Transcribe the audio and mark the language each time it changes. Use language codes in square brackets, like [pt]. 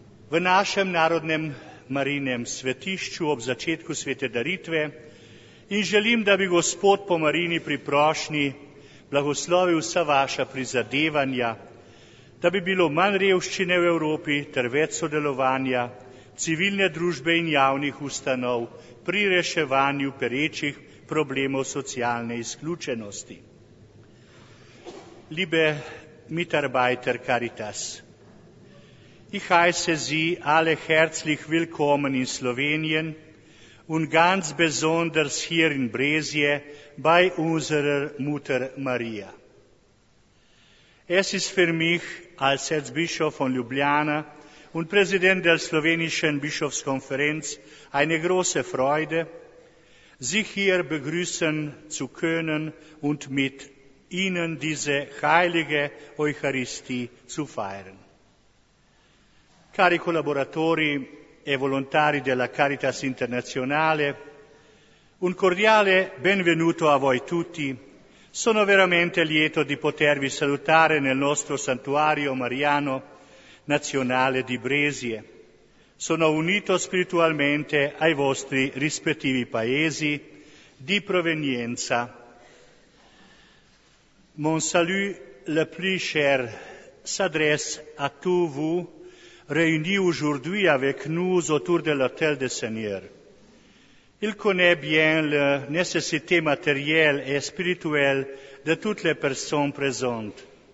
[sl] V našem narodnem Marijinem svetišču ob začetku svete daritve in želim, da bi Gospod po Marijini priprošnji blagoslovil vsa vaša prizadevanja, da bi bilo manj revščine v Evropi ter več sodelovanja civilne družbe in javnih ustanov pri reševanju perečih problemov socialne izključenosti. [de] Liebe Mitarbeiter Caritas, ich heiße Sie alle herzlich willkommen in Slowenien und ganz besonders hier in Brezje bei unserer Mutter Maria. Es ist für mich als Erzbischof von Ljubljana und Präsident der slowenischen Bischofskonferenz eine große Freude, Sie hier begrüßen zu können und mit Ihnen diese heilige Eucharistie zu feiern. [it] Cari collaboratori e volontari della Caritas Internazionale, un cordiale benvenuto a voi tutti. Sono veramente lieto di potervi salutare nel nostro santuario mariano nazionale di Brezje. Sono unito spiritualmente ai vostri rispettivi paesi di provenienza. [fr] Mon salut le plus cher s'adresse à tous vous, réunis aujourd'hui avec nous autour de l'Hôtel des Seigneurs. Il connaît bien la nécessité matérielle et spirituelle de toutes les personnes présentes.